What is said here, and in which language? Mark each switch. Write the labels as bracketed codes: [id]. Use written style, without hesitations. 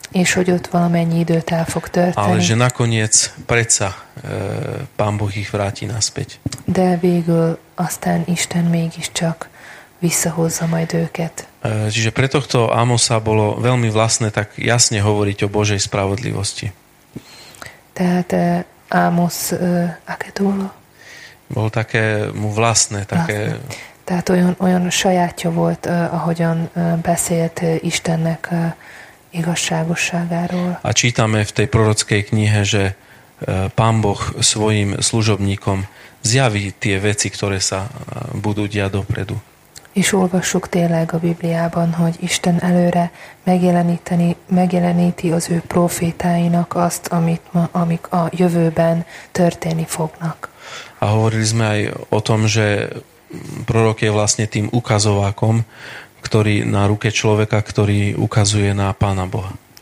[hu] És hogy ott valamennyi időt el fog tölteni. [sk] Ale že nakoniec predsa Pán Boh ich vráti naspäť. [hu] De végül aztán Isten mégiscsak visszahozza majd őket. [sk] Čiže pre tohto Amosa bolo veľmi vlastné tak jasne hovoriť o Božej spravodlivosti. [hu] Tehát [sk] Amos aké to bolo? Bol také mu vlastné, také... [hu] Tehát olyan sajátja volt, ahogyan beszélt Istennek igazságosságáról. [sk] A čítame v tej prorockej knihe, že Pán Boh svojim služobníkom zjaví tie veci, ktoré sa budú diať dopredu. [hu] És olvassuk tényleg a Bibliában, hogy Isten előre megjeleníti az ő profétáinak azt, amik a jövőben történni fognak. [sk] A hovorili sme aj o tom, že prorok je vlastne tým ukazovákom, ktorý na ruke človeka, ktorý ukazuje na Pána Boha.